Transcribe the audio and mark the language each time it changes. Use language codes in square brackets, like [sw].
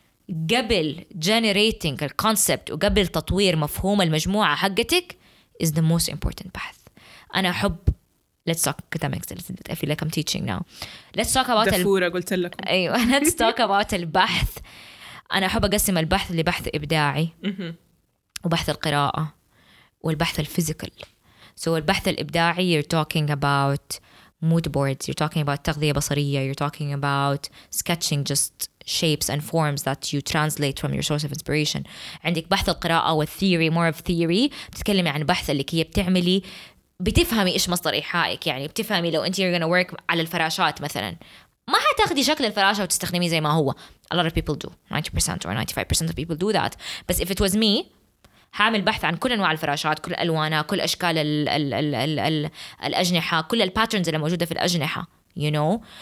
[ar] قبل generating الconcept وقبل تطوير مفهوم المجموعة حقتك [en] is the most important path. [ar] أنا أحب [en] let's talk academics a little bit. I feel like I'm teaching now. Let's talk about [ar] دفورة قلت لكم. أيوة. [en] Let's talk about البحث. [ar] أنا أحب أقسم البحث لبحث إبداعي وبحث القراءة والبحث الفيزيكال. [en] So البحث الإبداعي you're talking about mood boards, you're talking about [ar] تغذية بصرية, [en] you're talking about sketching just shapes and forms that you translate from your source of inspiration. [ar] عندك بحث القراءة والثيوري, [en] more of theory, [ar] تتكلمي عن بحث اللي كي بتعملي بتفهمي إيش مصدر إيحائك, يعني بتفهمي لو أنت [en] you're gonna work [ar] على الفراشات مثلا ما هتاخدي شكل الفراشة وتستخدميه زي ما هو. [en] A lot of people do, 90% or 95% of people do that, [ar] بس [en] if it was me [ar] هعمل بحث عن كل أنواع الفراشات, كل ألوانها, كل أشكال الـ الـ الـ الـ الـ الأجنحة, كل الباترنز اللي موجودة في الأجنحة, [en] you know.